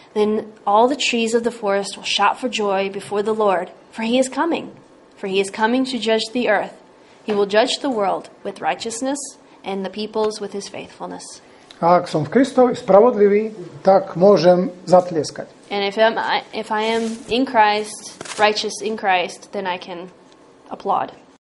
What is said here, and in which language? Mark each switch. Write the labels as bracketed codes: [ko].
[en] Then all the trees of the forest will shout for joy before the Lord, for he is coming. For he is coming to judge the earth. He will judge the world with righteousness and the peoples with his faithfulness. [sk] A ak som v Kristovi spravodlivý, tak môžem zatlieskať. [en] And if I am in Christ, righteous in Christ, then I can applaud.